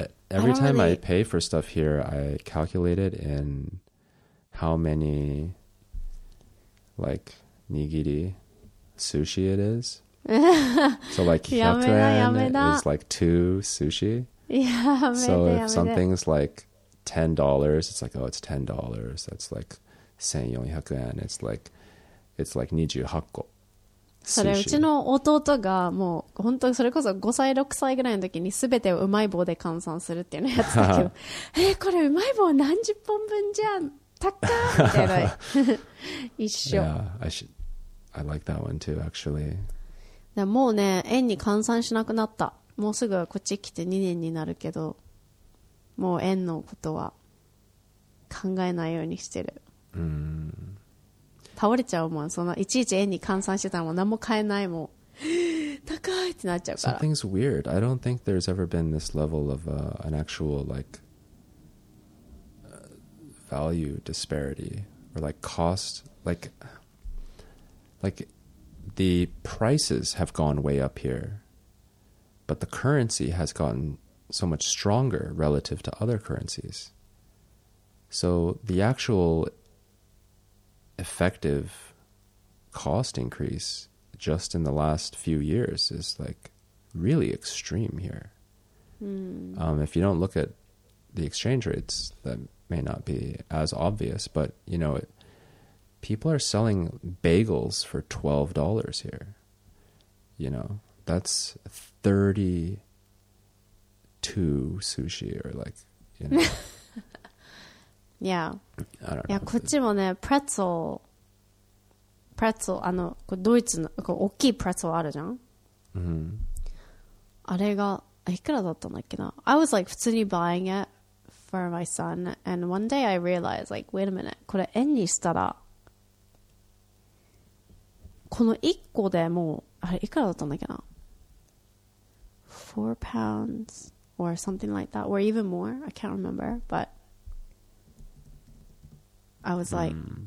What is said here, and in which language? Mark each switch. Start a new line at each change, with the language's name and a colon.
English: Every time I pay for stuff here, I calculate it in how many, like, nigiri sushi it is. So like hyakuten is like 2 sushi. So if something's like $10, it's like, oh, it's $10. That's like 1400円.It's like 28個.
Japanese: それうちの弟がもう本当それこそ5歳6歳ぐらいの時に全てをうまい棒で換算するっていうのやつだけどこれうまい棒何十本分じゃん高っみたいな一緒
English: Yeah, I like that one too actually
Japanese: でもうね円に換算しなくなったもうすぐこっち来て2年になるけどもう円のことは考えないようにしてるうん倒れちゃうもん。そのいちいち円に換算してたもん。何も買えないもん。高いってなっちゃうから。
English: Something's weird. I don't think there's ever been this level of an actual like value disparity or like cost like the prices have gone way up here, but the currency has gotten so much stronger relative to other currencies. So the actual effective cost increase just in the last few years is like really extreme here. Mm. If you don't look at the exchange rates, that may not be as obvious, but you know, people are selling bagels for $12 here. You know, that's 32 sushi or like, you know. Yeah.
Japanese: いやこっちもねプレッツォあのこドイツのこ大きいプレッツォあるじゃん、 mm-hmm. あれがいくらだったんだっけな
English: I was like
Japanese: 普通に
English: buying it for my son and one day I realized like wait a minute
Japanese: これ円にしたらこの1個でもうあれいくらだったんだっけな
English: 4 pounds or something like that or even more I can't remember butI was like,、mm.